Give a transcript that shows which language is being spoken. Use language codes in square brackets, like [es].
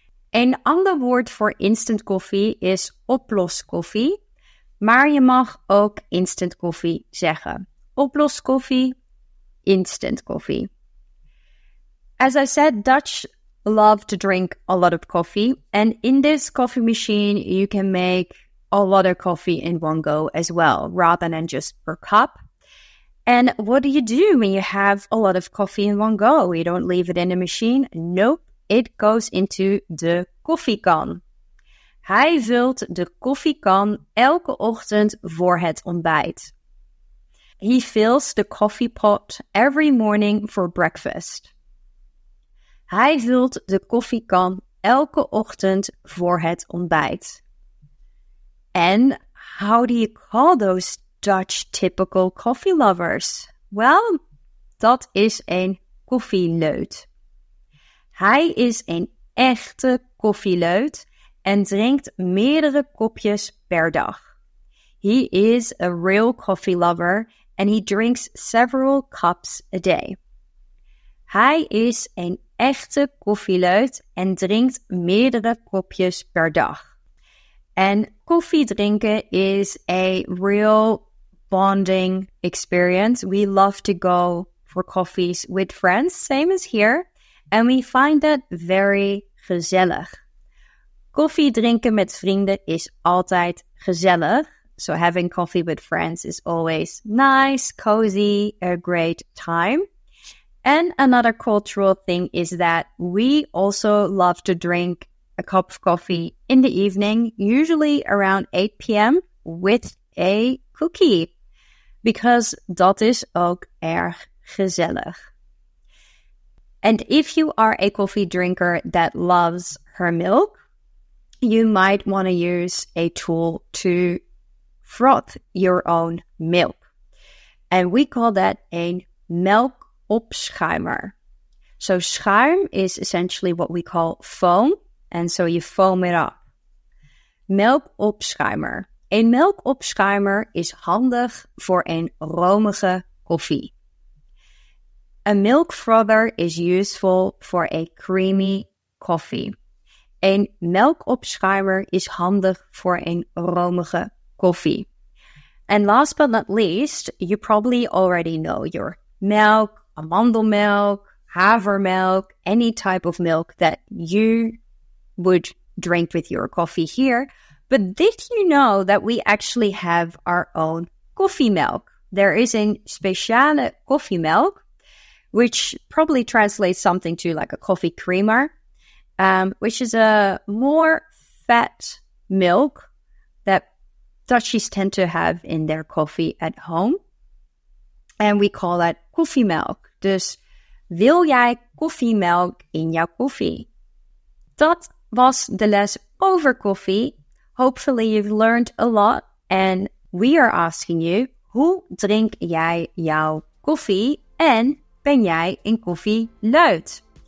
[nl] Een ander woord voor instant koffie is oploskoffie, maar je mag ook instant koffie zeggen. Oploskoffie, instant koffie. [en] As I said, Dutch love to drink a lot of coffee, and in this coffee machine you can make a lot of coffee in one go as well, rather than just per cup. And what do you do when you have a lot of coffee in one go? You don't leave it in a machine? Nope, it goes into the koffiekan. [nl] Hij vult de koffiekan elke ochtend voor het ontbijt. [en] He fills the coffee pot every morning for breakfast. [nl] Hij vult de koffiekan elke ochtend voor het ontbijt. [en] And how do you call those Dutch typical coffee lovers? [nl] Well, dat is een koffieleut. Hij is een echte koffieleut en drinkt meerdere kopjes per dag. [en] He is a real coffee lover and he drinks several cups a day. [nl] Hij is een echte koffieleut en drinkt meerdere kopjes per dag. En koffie drinken [en] is a real bonding experience. We love to go for coffees with friends, same as here. And we find that very gezellig. [nl] Koffie drinken met vrienden is altijd gezellig. [en] So having coffee with friends is always nice, cozy, a great time. And another cultural thing is that we also love to drink a cup of coffee in the evening, usually around 8 p.m. with a cookie. Because [nl] dat is ook erg gezellig. [en] And if you are a coffee drinker that loves her milk, you might want to use a tool to froth your own milk. And we call that a milk opschuimer. So schuim is essentially what we call foam. And so you foam it up. Milk opschuimer. [nl] Een milk opschuimer is handig voor een romige koffie. [en] A milk frother is useful for a creamy coffee. [nl] Een milk opschuimer is handig voor een romige koffie. [en] And last but not least, you probably already know your milk, amandelmilk, havermilk, any type of milk that you would drink with your coffee here. But did you know that we actually have our own coffee milk? There is a speciale coffee milk, which probably translates something to like a coffee creamer, which is a more fat milk that Dutchies tend to have in their coffee at home. And we call that koffiemelk. [nl] Dus wil jij koffiemelk in jouw koffie? Dat was de les over koffie. [en] Hopefully you've learned a lot. And we are asking you, [nl] hoe drink jij jouw koffie en ben jij een koffieleut?